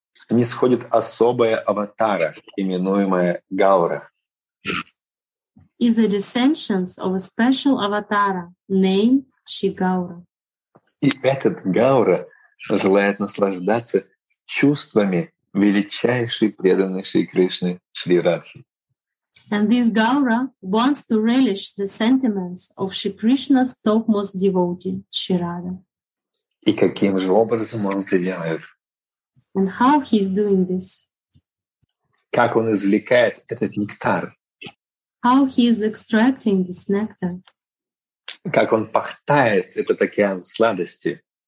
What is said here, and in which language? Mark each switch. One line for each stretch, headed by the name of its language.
Russian: нисходит особая аватара, именуемая Гаура.
English: Is a descension of a special avatar named Shigaura.
Russian: И этот Гаура желает наслаждаться чувствами величайшей преданной Шри Кришны Шри Радхи.
English: And this Gaura wants to relish the sentiments of Shri Krishna's topmost devotee Shri Radha.
Russian: И каким же образом он это делает?
English: And how he's doing this?
Russian: Как он извлекает этот нектар?
English: How he is extracting this nectar?
Russian: Как он пахтает этот океан сладости?